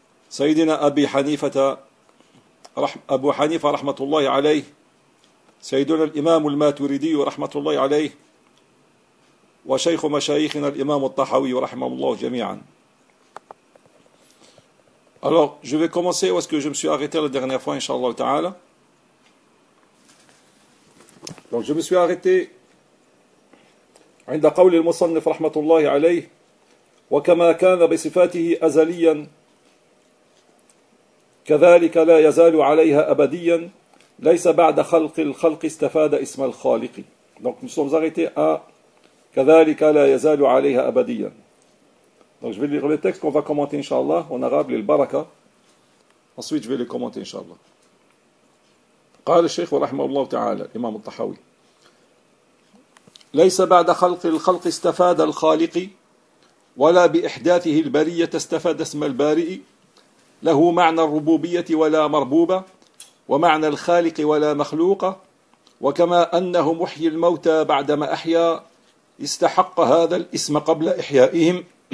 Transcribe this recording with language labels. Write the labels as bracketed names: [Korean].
[Arabic] سيدنا أبي حنيفة أبو حنيفة رحمة الله عليه، سيدنا الإمام الماتريدي رحمة الله عليه، وشيخ مشايخنا الإمام الطحاوي رحمه الله جميعا. [French] Alors, je vais commencer où est-ce que je me suis arrêté la dernière fois, inshallah ta'ala. Donc, je me suis arrêté [Arabic] عند قول المصنف رحمة الله عليه وكما كان بصفاته أزليا كذلك لا يزال عليها أبديا ليس بعد خلق الخلق استفاد اسم الخالق. [French] Donc nous sommes arrêtés à [Arabic] كذلك لا يزال عليها أبديا. [French] Donc je vais lire le texte qu'on va commenter inshallah en arabe [Arabic] للبركة. [French] Ensuite je vais le commenter inshallah. [Arabic] قال الشيخ رحمه الله تعالى إمام الطحاوي: ليس بعد خلق الخلق استفاد الخالق ولا بإحداثه البرية استفاد اسم البارئ، له معنى الربوبية ولا مربوبة ومعنى الخالق ولا مخلوق، وكما أنه محيي الموتى بعدما أحيا استحق هذا الاسم قبل إحيائهم،